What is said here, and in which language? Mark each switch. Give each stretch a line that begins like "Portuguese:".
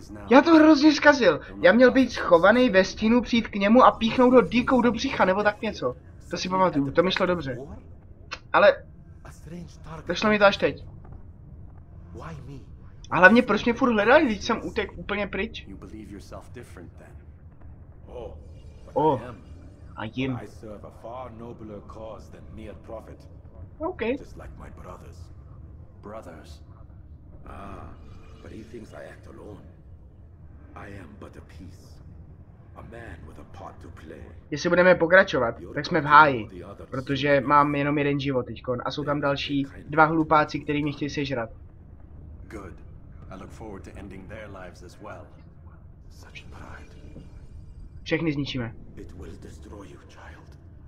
Czech: Já to hrozně zkazil. Já měl být schovaný ve stínu, přijít k němu a píchnout ho díkou do břicha, nebo tak něco. To si pamatuju, to mi šlo dobře. Ale... Došlo mi to až teď. A hlavně proč mě furt hledali, když jsem utek úplně pryč?
English: You believe yourself different then. Oh, I am. I serve a far nobler cause than mere profit. Okay. Just like my brothers. Brothers. Ah, but he thinks I act alone. I am but a piece. A man with a part to play.
Czech: Jestli budeme pokračovat, tak jsme v háji, protože mám jenom jeden život teďkon a jsou tam další dva hlupáci, který mě chtějí sežrat.
English: Good. I look forward to ending their lives as well. Such pride.
Czech: Všechny zničíme.
English: It will destroy you, child.